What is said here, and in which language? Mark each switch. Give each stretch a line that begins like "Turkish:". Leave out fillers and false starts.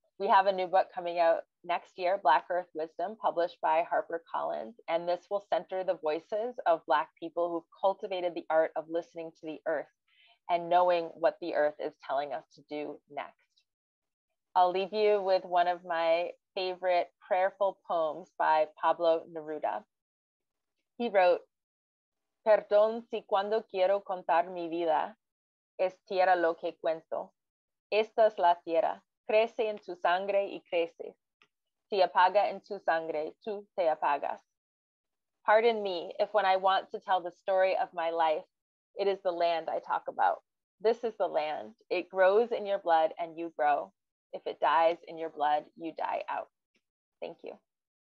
English: We have a new book coming out next year, Black Earth Wisdom, published by HarperCollins. And this will center the voices of Black people who've cultivated the art of listening to the earth and knowing what the earth is telling us to do next. I'll leave you with one of my favorite prayerful poems by Pablo Neruda. He wrote,
Spanish: "Perdón si cuando quiero contar mi vida, es tierra lo que cuento. Esta es la tierra. Crece en tu sangre y crece. Si apaga en tu sangre, tú te apagas.
English: Pardon me if when I want to tell the story of my life, it is the land I talk about. This is the land. It grows in your blood and you grow. If it dies in your blood, you die out." Thank you.